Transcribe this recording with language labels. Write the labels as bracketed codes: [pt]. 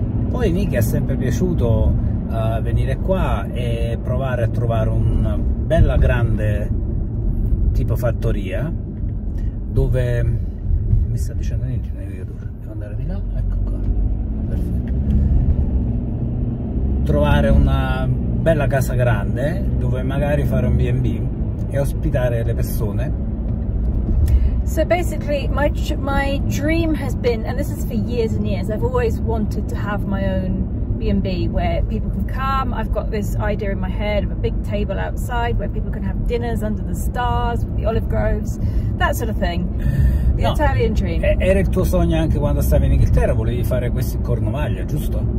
[it] Poi Nicki è sempre piaciuto venire qua e provare a trovare una bella grande tipo fattoria dove mi sta dicendo niente, devo andare di là, ecco qua. Perfetto. Trovare una bella casa grande dove magari fare un B&B e ospitare le persone. [en] So basically, my dream has been, and this is for years and years, I've always wanted to have my own B&B where people can come. I've got this idea in my head of a big table outside where people can have dinners under the stars with the olive groves, that sort of thing. The no, Italian dream. [it] Era il tuo sogno anche quando stavi in Inghilterra, volevi fare questi cornovaglia, giusto?